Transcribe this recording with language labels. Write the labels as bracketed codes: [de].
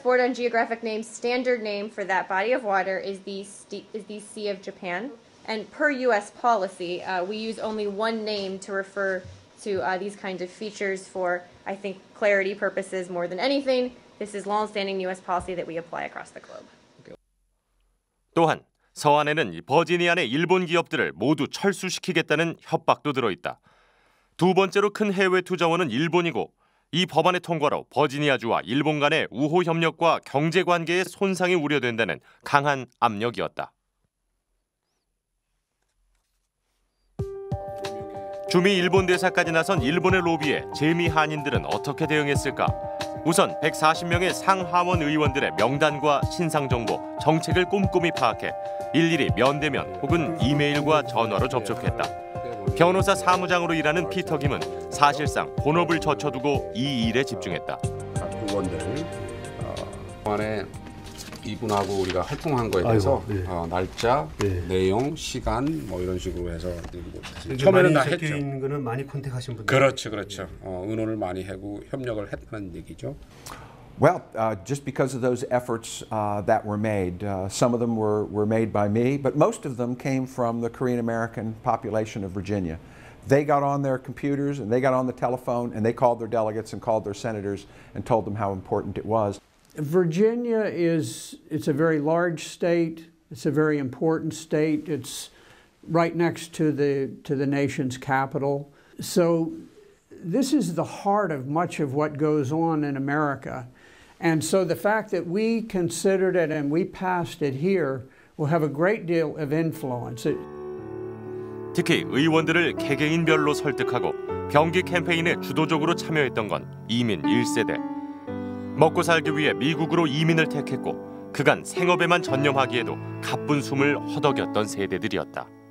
[en] Board on Geographic Names standard name for that body of water is the Sea of Japan. And per U.S. policy, we use only one name to refer to these kinds of features for, I think, clarity purposes more than anything. This is long-standing U.S. policy that we apply across the globe. Okay. [ko] 또한 서한에는 버지니아 내 일본 기업들을 모두 철수시키겠다는 협박도 들어있다. 두 번째로 큰 해외 투자원은 일본이고 이 법안의 통과로 버지니아주와 일본 간의 우호 협력과 경제 관계의 손상이 우려된다는 강한 압력이었다. 주미 일본 대사까지 나선 일본의 로비에 재미 한인들은 어떻게 대응했을까? 우선 140명의 상하원 의원들의 명단과 신상 정보, 정책을 꼼꼼히 파악해 일일이 면대면 혹은 이메일과 전화로 접촉했다. 변호사 사무장으로 일하는 피터 김은 사실상 본업을 젖혀두고 이 일에 집중했다. 의원들 안에 이분하고 우리가 활동한 거에 대해서 날짜, 네. 내용, 시간 뭐 이런 식으로 해서 처음에는 다 했죠. 있는 거는 많이 컨택하신 분들. 그렇죠, 그렇죠. 의논을 많이 하고 협력을 했다는 얘기죠. [en] Well, just because of those efforts that were made, some of them were made by me, but most of them came from the Korean-American population of Virginia. They got on their computers and they got on the telephone and they called their delegates and called their senators and told them how important it was. Virginia is a very large state. It's a very important state. It's right next to the nation's capital. So this is the heart of much of what goes on in America. And so the fact that we considered it and we passed it here will have a great deal of influence. [ko] 특히 의원들을 개개인별로 설득하고 병기 캠페인에 주도적으로 참여했던 건 이민 1세대. 먹고 살기 위해 미국으로 이민을 택했고 그간 생업에만 전념하기에도 가쁜 숨을 허덕였던 세대들이었다.